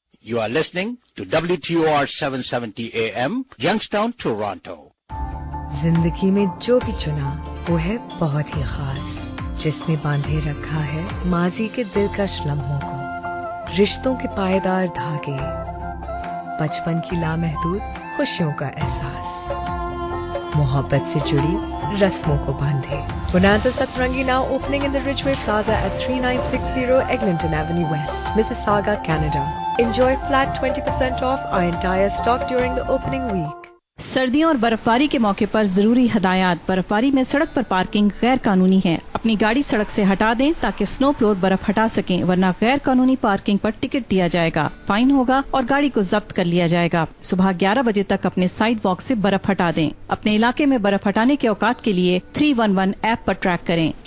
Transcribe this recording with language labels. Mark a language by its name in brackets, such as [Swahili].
[English] You are listening to WTOR 770 AM, Youngstown, Toronto. [Hindi] जिंदगी में जो भी चुना वो है बहुत ही खास, जिसने बांधे रखा है माजी के दिलकश लम्हों को, रिश्तों के पायदार धागे, बचपन की लामहदूद खुशियों का एहसास, मोहब्बत से जुड़ी रस्मों को बांधे. [English] Bonanza Satrangi now opening in the Ridgeway Plaza at 3960 Eglinton Avenue West, Mississauga, Canada. Enjoy flat 20% off our entire stock during the opening week. [Hindi] सर्दियों और बर्फबारी के मौके पर जरूरी हदायत. बर्फबारी में सड़क पर पार्किंग गैर कानूनी है. अपनी गाड़ी सड़क से हटा दें ताकि स्नो प्लोर बर्फ हटा सकें, वरना गैर कानूनी पार्किंग पर टिकट दिया जाएगा, फाइन होगा और गाड़ी को जब्त कर लिया जाएगा. सुबह 11 बजे तक अपने साइड वॉक से बर्फ हटा दें. अपने इलाके में बर्फ हटाने के औकात के लिए 311 ऐप पर ट्रैक करें.